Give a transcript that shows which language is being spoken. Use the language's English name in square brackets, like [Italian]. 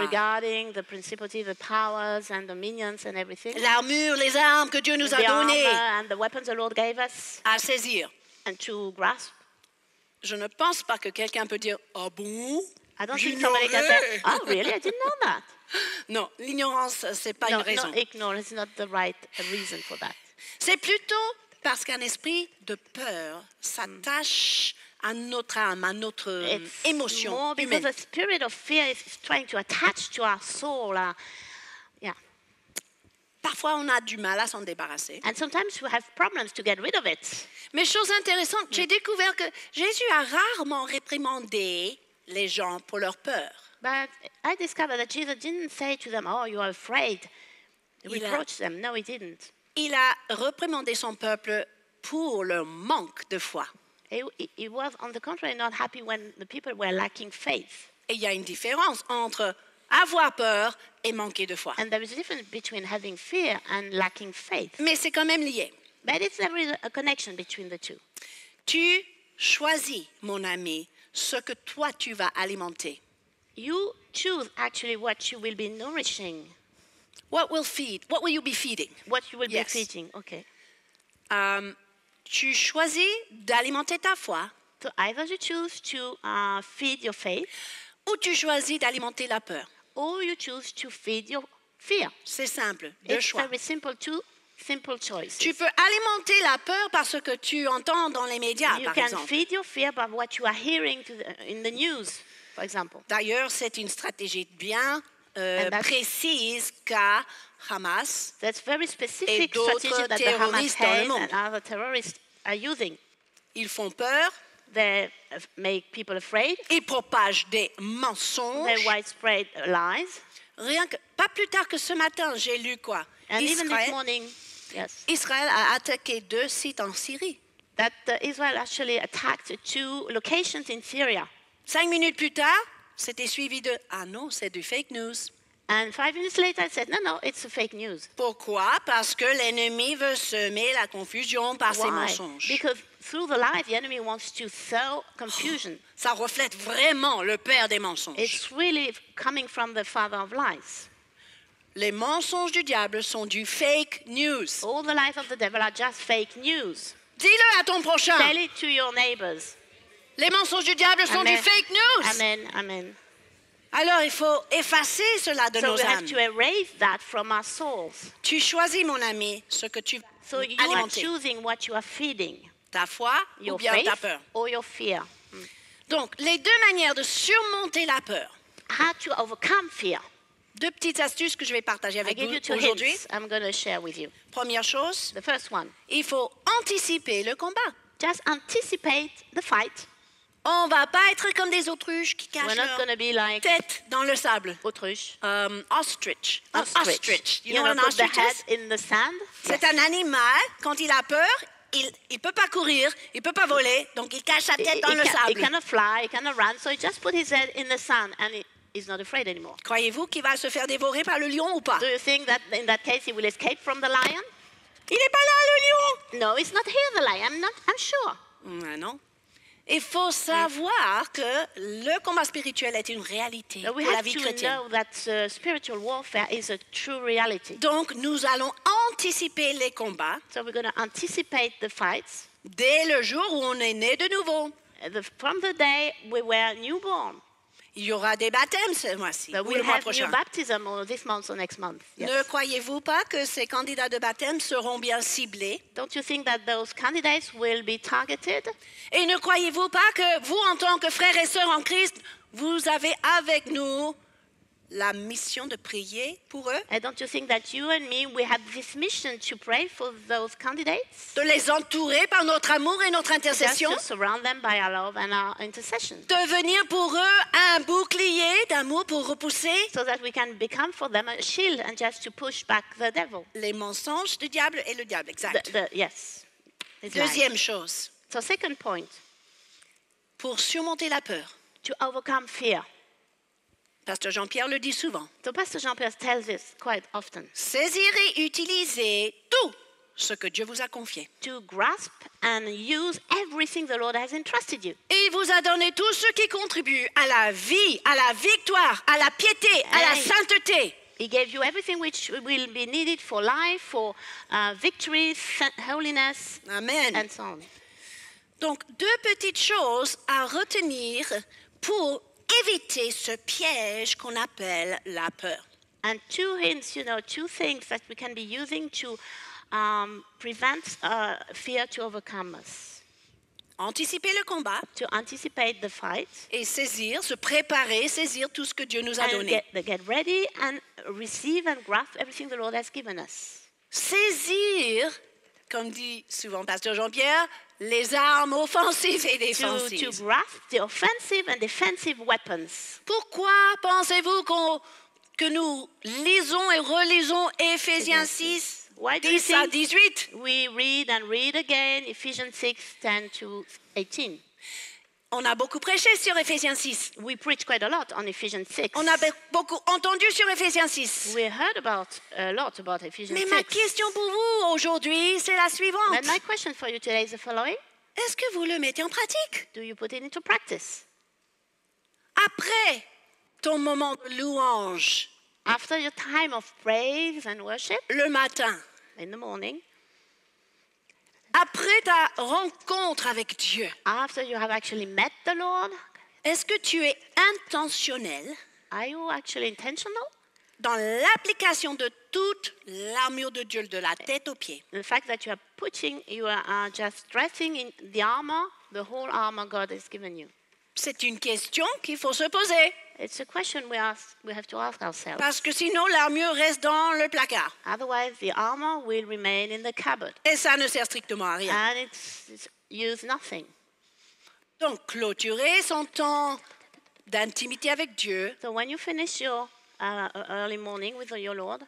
[English] Regarding the principalities, the powers and dominions and everything. [French] L'armure, les armes que Dieu nous a données. [English] The armor and the weapons the Lord gave us. [French] À saisir. [English] And to grasp. [French] Je ne pense pas que quelqu'un peut dire, ah bon? [English] I don't think somebody can say, oh really, I didn't know that. [French] Non, l'ignorance, c'est pas une raison. [English] No, ignorance is not the right reason for that. [French] C'est plutôt parce qu'un esprit de peur s'attache à notre âme, à notre émotion humaine. [English] It's more because a spirit of fear is trying to attach to our soul. [French] Parfois, on a du mal à s'en débarrasser. [English] And sometimes we have problems to get rid of it. [French] Mais chose intéressante, j'ai découvert que Jésus a rarement réprimandé les gens pour leur peur. [English] But I discovered that Jesus didn't say to them, "Oh, you are afraid." Reproach them. No, he didn't. [French] Il a réprimandé son peuple pour leur manque de foi. [English] He was, on the contrary, not happy when the people were lacking faith. [French] Et il y a une différence entre avoir peur et manquer de foi. [English] And there is a difference between having fear and lacking faith. [French] Mais c'est quand même lié. [English] But it's there is a connection between the two. [French] Tu choisis, mon ami, ce que toi tu vas alimenter. [English] You choose actually what you will be nourishing. What will feed? What will you be feeding? What you will be feeding? Okay. [French] Tu choisis d'alimenter ta foi. [English] So either you choose to feed your faith, [French] ou tu choisis d'alimenter la peur. [English] Or you choose to feed your fear. [French] C'est simple, deux [English] It's [French] choix. [English] Very simple, two simple choices. [French] Tu peux alimenter la peur par ce que tu entends dans les médias, [English] you [French] par exemple. [English] You can feed your fear by what you are hearing in the news, for example. [French] D'ailleurs, c'est une stratégie bien précise qu'a Hamas. [English] That's very specific strategy that the Hamas and other terrorists are using. [French] Ils font peur. [English] They make people afraid. [French] Ils propagent des mensonges. [English] They widespread lies. [French] Rien que, pas plus tard que ce matin, j'ai lu quoi. [English] And Israël, even this morning, yes. [French] Israël a attaqué deux sites en Syrie. [English] That Israel actually attacked two locations in Syria. [French] Cinq minutes plus tard, c'était suivi de ah non, c'est du fake news. [English] And 5 minutes later, I said, no, no, it's a fake news. [French] Pourquoi? Parce que l'ennemi veut semer la confusion par ses mensonges. [English] Because through the lie, the enemy wants to sow confusion. Oh, [French] ça reflète vraiment le père des mensonges. [English] It's really coming from the father of lies. [French] Les mensonges du diable sont du fake news. [English] All the lies of the devil are just fake news. [French] Dis-le à ton prochain. [English] Tell it to your neighbors. [French] Les mensonges du diable sont du fake news. [English] Amen, amen. [French] Alors, il faut effacer cela de [English] so [French] nos âmes. [English] So we have to erase that from our souls. [French] Tu choisis, mon ami, ce que tu [English] so [French] vas [English] alimenter. So you are choosing what you are feeding. [French] Ta foi [English] your [French] ou bien [English] faith [French] ta peur. [English] Or your fear. [French] Donc, les deux manières de surmonter la peur. [English] How to overcome fear. [French] Deux petites astuces que je vais partager avec vous aujourd'hui. [English] I give you two hints I'm going to share with you. [French] Première chose. [English] The first one. [French] Il faut anticiper le combat. [English] Just anticipate the fight. [French] On ne va pas être comme des autruches qui cachent [English] We're not [French] leur [English] be like [French] tête dans le sable. Autruche. [English] Ostrich. Ostrich. You know what an ostrich is? In the sand. [French] C'est un animal, quand il a peur, il ne peut pas courir, il ne peut pas voler, donc il cache sa tête dans le sable. [English] He cannot fly, he cannot run, so he just put his head in the sand and he's not afraid anymore. [French] Croyez-vous qu'il va se faire dévorer par le lion ou pas? [English] Do you think that in that case he will escape from the lion? [French] Il n'est pas là, le lion! [English] No, he's not here, the lion, I'm sure. [French] Mais non. Il faut savoir que le combat spirituel est une réalité pour la vie chrétienne. [English] We have to know that spiritual warfare is a true reality. [French] Donc, nous allons anticiper les combats. [English] So we're going to anticipate the fights. [French] Dès le jour où on est né de nouveau. [English] From the day we were newborn. [French] Il y aura des baptêmes ce mois-ci ou [English] we'll [French] le mois prochain. [English] New baptism or this month or next month. Yes. [French] Ne croyez-vous pas que ces candidats de baptême seront bien ciblés? [English] Don't you think that those candidates will be targeted? [French] Et ne croyez-vous pas que vous, en tant que frères et sœurs en Christ, vous avez avec nous la mission de prier pour eux? [English] And don't you think that you and me, we have this mission to pray for those candidates? [French] De les entourer par notre amour et notre intercession? [English] Just to surround them by our love and our intercession. [French] Devenir pour eux un bouclier d'amour pour repousser? [English] So that we can become for them a shield and just to push back the devil. [French] Les mensonges du diable et le diable, exact. [English] Yes. [French] Deuxième chose. [English] So second point. [French] Pour surmonter la peur. [English] To overcome fear. [French] Pasteur Jean-Pierre le dit souvent. [English] So Pasteur Jean-Pierre tells this quite often. [French] Saisir et utiliser tout ce que Dieu vous a confié. [English] To grasp and use everything the Lord has entrusted you. [French] Il vous a donné tout ce qui contribue à la vie, à la victoire, à la piété, à la sainteté. [English] He gave you everything which will be needed for life, for victory, holiness, Amen. And so on. [French] Donc deux petites choses à retenir pour éviter ce piège qu'on appelle la peur. [English] And two hints, you know, two things that we can be using to prevent fear to overcome us. [French] Anticiper le combat. [English] To anticipate the fight. [French] Et saisir, se préparer, saisir tout ce que Dieu nous a [English] and [French] donné. [English] Get ready and receive and grasp everything the Lord has given us. [French] Saisir, comme dit souvent Pasteur Jean-Pierre, les armes offensives et défensives. [English] To grasp the offensive and defensive weapons. [French] Pourquoi pensez-vous que nous lisons et relisons Éphésiens 6, 10 à 18? [English] We read and read again Ephesians 6, 10 to 18. [French] On a beaucoup prêché sur Éphésiens 6. [English] We preach quite a lot on Ephesians 6. [French] On a beaucoup entendu sur Éphésiens 6. [English] We heard about a lot about Ephesians 6. [French] Mais ma question pour vous aujourd'hui, c'est la suivante. [English] But my question for you today is the following. [French] Est-ce que vous le mettez en pratique? [English] Do you put it into practice? [French] Après ton moment de louange. [English] After your time of praise and worship. [French] Le matin. [English] In the morning. [French] Après ta rencontre avec Dieu. [English] After you have actually met the Lord. [French] Est-ce que tu es intentionnel? [English] Are you actually intentional? [French] Dans l'application de toute l'armure de Dieu, de la tête aux pieds. [English] The fact that you are just dressing in the armor, the whole armor God has given you. [French] C'est une question qu'il faut se poser. [English] It's a question we have to ask ourselves. [French] Parce que sinon l'armure reste dans le placard. [English] Otherwise, the armor will remain in the cupboard. [French] Et ça ne sert strictement à rien. [English] And it's used nothing. [French] Donc clôturer son temps d'intimité avec Dieu. [English] So when you finish your early morning with your Lord.